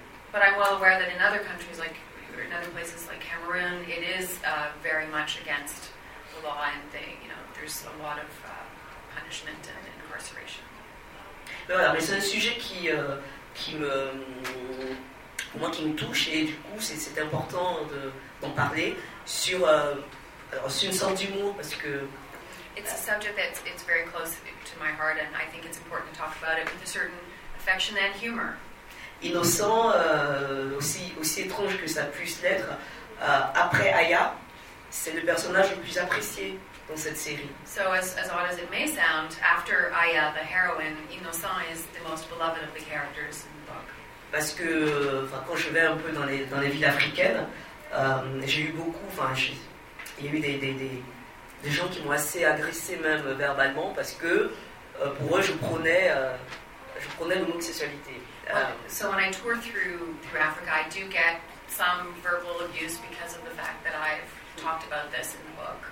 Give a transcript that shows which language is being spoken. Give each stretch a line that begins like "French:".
English: But I'm well aware that in other countries, like in other places like Cameroon, it is very much against the law, and there's a lot of punishment and incarceration.
French: Mais voilà, mais c'est un sujet qui me touche, et du coup c'est important d'en parler sur une sorte d'humour, parce que
English: it's a subject that's very close to my heart, and I think it's important to talk about it with a certain affection and humor.
French: Innocent, aussi étrange que ça puisse l'être, après Aya, c'est le personnage le plus apprécié dans cette série.
English: So as odd as it may sound, after Aya, the heroine, Innocent is the most beloved of the characters in the book.
French: Parce que, enfin, quand je vais un peu dans les villes africaines, j'ai eu beaucoup, enfin, il y a eu des gens qui m'ont assez agressé même verbalement, parce que pour eux, je prenais l'homosexualité.
English: So when I tour through Africa, I do get some verbal abuse because of the fact that I've talked about this in the book.